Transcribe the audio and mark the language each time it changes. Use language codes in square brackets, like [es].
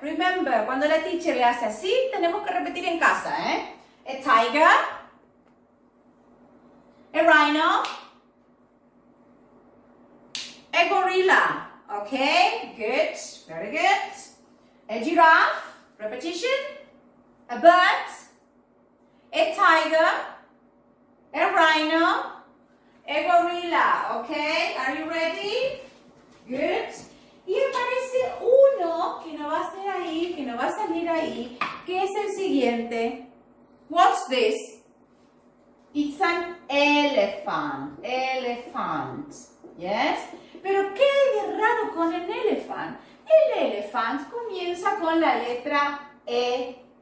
[en] Remember, [es] cuando la teacher le hace así, tenemos que repetir en casa, ¿eh? [en] A tiger, a rhino, a gorilla. Okay, good, very good. A giraffe, repetition, a bird, a tiger, a rhino, a gorilla, okay? Are you ready? Good. [es] Y aparece uno que no va a ser ahí, que no va a salir ahí, que es el siguiente. [en] Watch this. It's an elephant. Elephant. Yes? [es] Pero ¿qué hay de raro con el elephant? El elephant comienza con la letra E.